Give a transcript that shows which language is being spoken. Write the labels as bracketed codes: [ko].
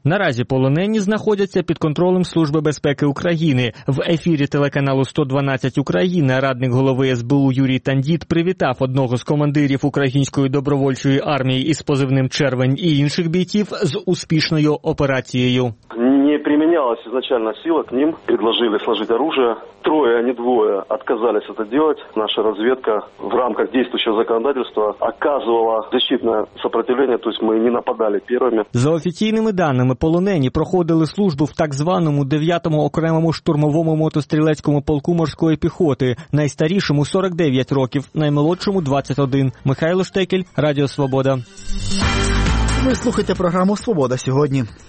[uk] Наразі полонені знаходяться під контролем Служби безпеки України. В ефірі телеканалу 112 Україна радник голови СБУ Юрій Тандіт привітав одного з командирів української добровольчої армії із позивним «Червень» і інших бійців з успішною операцією. Не приміняв [ru] намечалась изначально сила, к ним предложили сложить оружие. Трое, а не двое, отказались это делать. Наша разведка в рамках действующего законодательства оказывала защитное сопротивление, то есть мы не нападали первыми. [uk] За офіційними даними, полонені проходили службу в так званому 9-му окремому штурмовому мотострілецькому полку морської піхоти. Найстарішому 49 років, наймолодшому 21. Михайло Штекель, Радіо Свобода. Ви слухаєте програму «Свобода сьогодні».